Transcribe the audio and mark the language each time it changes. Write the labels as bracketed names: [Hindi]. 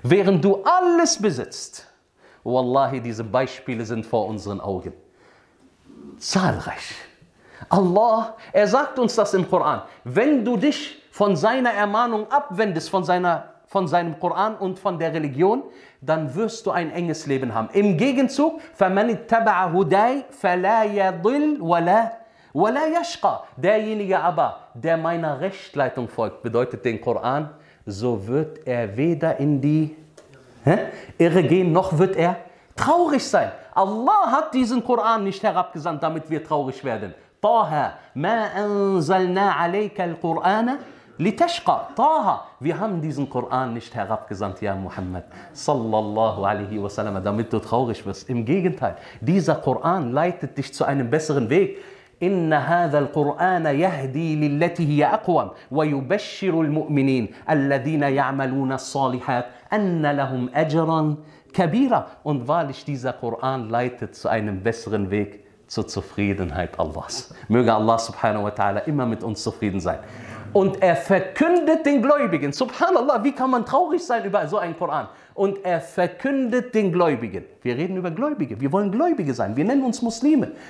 [German] Während du alles besitzt, Wallahi, diese Beispiele sind vor unseren Augen. Zahlreich. Allah, er sagt uns das im Koran. Wenn du dich von seiner Ermahnung abwendest, von seinem Koran und von der Religion, dann wirst du ein enges Leben haben. Im Gegenzug, [Arabic] فَمَنِ اتَّبَعَ هُدَيْ فَلَا يَضِلْ وَلَا وَلَا يَشْقَى. [German] Derjenige aber, der meiner Rechtleitung folgt, bedeutet den Koran, so wird er weder in die Irre gehen, noch wird er traurig sein. Allah hat diesen Koran nicht herabgesandt, damit wir traurig werden. [Arabic] طه ما أنزلنا عليك القرآن لتشقى. [German] طه, wir haben diesen Koran nicht herabgesandt, ja Muhammad, sallallahu alaihi wasallam, damit du traurig wirst. Im Gegenteil, dieser Koran leitet dich zu einem besseren Weg. [Arabic] إن هذا القرآن يهدي للتي هي أقوم ويبشر المؤمنين الذين يعملون الصالحات أن لهم أجرا كبيرا. [German] Und wahrlich, dieser Koran leitet zu einem besseren Weg zur Zufriedenheit Allahs. Möge Allah subhanahu wa ta'ala immer mit uns zufrieden sein. Und er verkündet den Gläubigen, subhanallah, wie kann man traurig sein über so einen Koran? Und er verkündet den Gläubigen. Wir reden über Gläubige. Wir wollen Gläubige sein. Wir nennen uns Muslime.